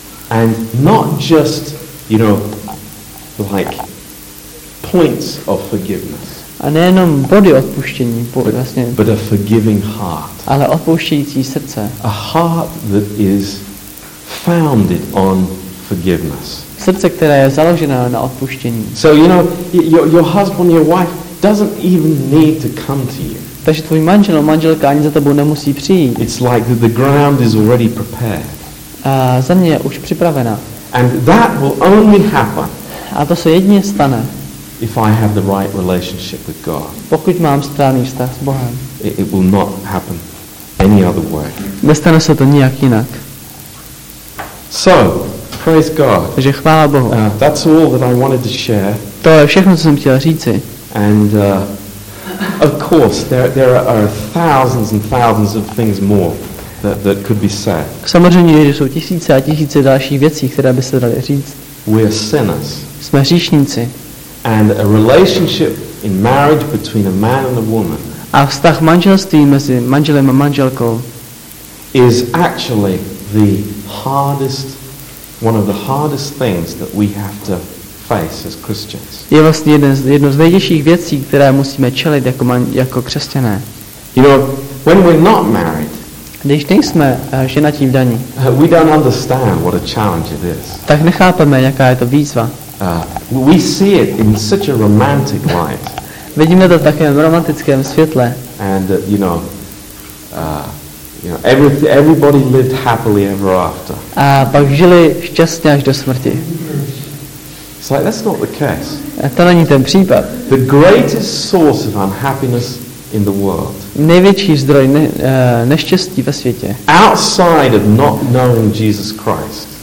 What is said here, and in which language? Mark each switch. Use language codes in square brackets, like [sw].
[en] And not just, you know, like points of forgiveness. [cs] A nejenom body odpuštění, vlastně. [en] But a forgiving heart. [cs] Ale odpouštějící srdce. [en] A heart that is founded on forgiveness. [cs] Srdce, které je založeno na odpuštění. [en] So, you know, your husband, your wife doesn't even need to come to you. [cs] Takže tvůj manžel, manželka ani za tebou nemusí přijít. [en] It's like the ground is already prepared. [cs] A země je už připravena. [en] And that will only happen. [cs] A to se jedině stane. [en] If I have the right relationship with God. [cs] Pokud mám správný vztah s Bohem. [en] It will not happen any other way. [cs] Nestane se to nijak jinak. [en] So, praise God. [cs] Takže chvála Bohu. [en] That's all that I wanted to share. [cs] To je všechno, co jsem chtěl říci. [en] And of course there are thousands and thousands of things more that could be said. [cs] Samozřejmě jsou tisíce a tisíce dalších věcí, které by se daly říct. [en] We're sinners. [cs] Jsme hříšníci. [en] And a relationship in marriage between a man and a woman. [cs] A vztah manželství mezi manželem a manželkou [en] is actually the hardest, one of the hardest things that we have to face as Christians. [cs] Je vlastně jedno z nejtěžších věcí, které musíme čelit jako křesťané. [en] You know, when we're not married. [cs] Když nejsme ženatí v daní, [en] we don't understand what a challenge it is. [cs] Tak nechápeme, jaká je to výzva. [en] We see it in such a romantic light. [cs] Vidíme to v takovém romantickém světle. [en] And you know, everybody lived happily ever after. [cs] A pak žili šťastně až do smrti. [en] It's like that's not the case. [cs] A to není ten případ. [en] The greatest source of unhappiness in the world. [cs] Největší zdroj neštěstí ve světě. [en] Outside of not knowing Jesus Christ.